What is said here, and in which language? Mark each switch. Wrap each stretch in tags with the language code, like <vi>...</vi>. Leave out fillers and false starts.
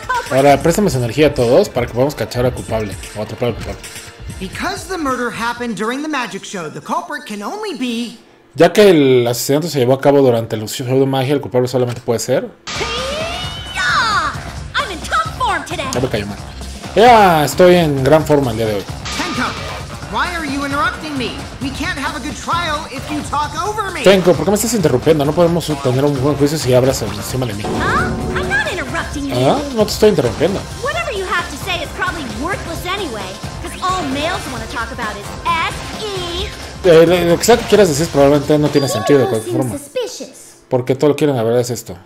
<es>Ahora, préstame su energía a todos para que podamos cachar al culpable o atrapar al culpable.</es> <en>Because the murder happened during the magic show, the culprit can only be.</en> <es>Ya que el asesinato se llevó a cabo durante el show de magia, el culpable solamente puede ser.</es> <en>I'm in top form today.</en> <es>Ya me cayó mal. Ya estoy en gran forma el día de hoy.</es> <en>Why are you interrupting me? We can't have a good trial if you talk over me.</en> <es>Tenko, ¿por qué me estás interrumpiendo? No podemos tener un buen juicio si hablas encima de mí.</es> <en>I'm not interrupting you.</en> <es>No te estoy interrumpiendo.</es> <en>Whatever you have to say is probably worthless anyway, because all males want to talk about is S-E.</en> <es>Lo que sea que quieras decir probablemente no tiene sentido de cualquier forma. Porque todo lo que quieren, la verdad, es esto.</es>